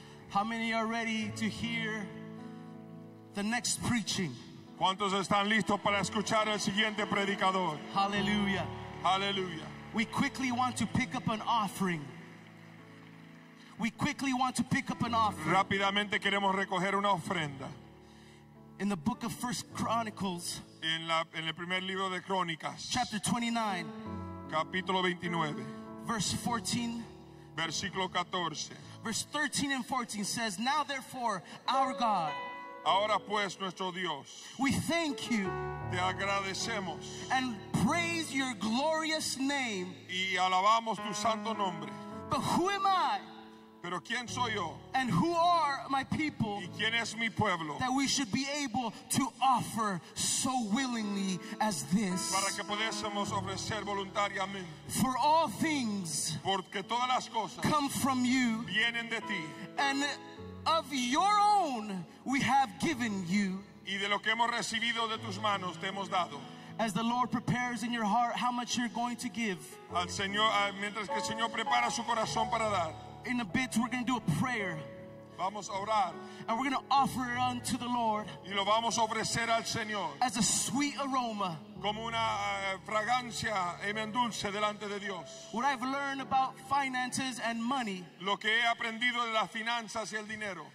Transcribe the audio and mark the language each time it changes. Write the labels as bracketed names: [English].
[English] How many are ready to hear the next preaching? [Spanish] ¿Cuántos están listos para escuchar el siguiente predicador? [English] Hallelujah. Hallelujah. We quickly want to pick up an offering. We quickly want to pick up an offering. [Spanish] Rápidamente queremos recoger una ofrenda. [English] In the book of First Chronicles. [Spanish] En el primer libro de Crónicas. [English] Chapter 29. [Spanish] Capítulo 29. [English] Verse 14. [Spanish] Versículo 14. [English] Verse 13 and 14 says, "Now therefore, our God." [Spanish] Ahora pues, nuestro Dios, [English] we thank you. [Spanish] Te agradecemos. [English] And praise your glorious name. [Spanish] Y alabamos tu santo nombre. [English] But who am I? [Spanish] Pero quién soy yo? [English] And who are my people? [Spanish] Y quién es mi pueblo? [English] That we should be able to offer so willingly as this. [Spanish] Para que pudiésemos ofrecer voluntariamente. [English] For all things. [Spanish] Porque todas las cosas [English] come from you. [Spanish] Vienen de ti. [English] And of your own we have given you. [Spanish] Y de lo que hemos recibido de tus manos te hemos dado. [English] As the Lord prepares in your heart how much you're going to give. [Spanish] Al Señor, mientras que el Señor prepara su corazón para dar. [English] In a bit we're going to do a prayer. [Spanish] Vamos a orar. [English] And we're going to offer it unto the Lord. [Spanish] Y lo vamos a ofrecer al Señor. [English] As a sweet aroma. [Spanish] Como una fragancia, amen, dulce delante de Dios. [English] What I've learned about finances and money. [Spanish] Lo que he aprendido de las finanzas y el dinero.